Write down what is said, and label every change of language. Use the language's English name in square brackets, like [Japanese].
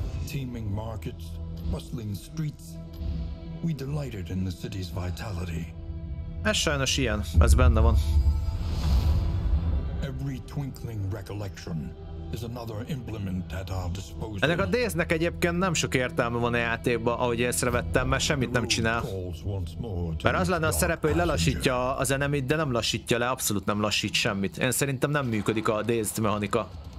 [English] Teeming markets, bustling streets. We delighted in the city's vitality. [Hungarian] Ez sajnos ilyen, ez benne van. [English] Every twinkling recollection is another implement at our disposal. [Hungarian] Ennek a déznek egyébként nem sok értelme van a játékban, ahogy észrevettem, mert semmit nem csinál. Mert az lenne a szerepe, hogy lelassítja az enemit, de nem lassítja le, abszolút nem lassít semmit. Én szerintem nem működik a dézd mechanika.